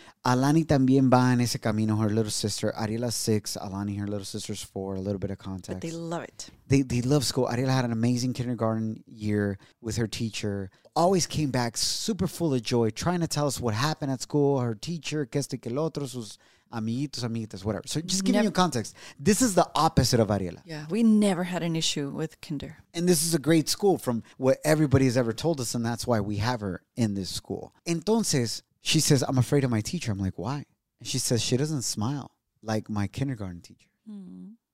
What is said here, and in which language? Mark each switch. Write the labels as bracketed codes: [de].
[es] Alani también va en ese camino, [en] her little sister. Ariela's 6. Alani, her little sister's 4. A little bit of context. But they love it. They love school. Ariela had an amazing kindergarten year with her teacher. Always came back super full of joy, trying to tell us what happened at school. Her teacher, [es] que este que el otro, sus amiguitos, amiguitas, [en] whatever. So just giving you context. This is the opposite of Ariela. Yeah, we never had an issue with kinder. And this is a great school from what everybody has ever told us. And that's why we have her in this school. [es] Entonces, [en] she says, I'm afraid of my teacher. I'm like, why? And she says, she doesn't smile like my kindergarten teacher. Mm-hmm.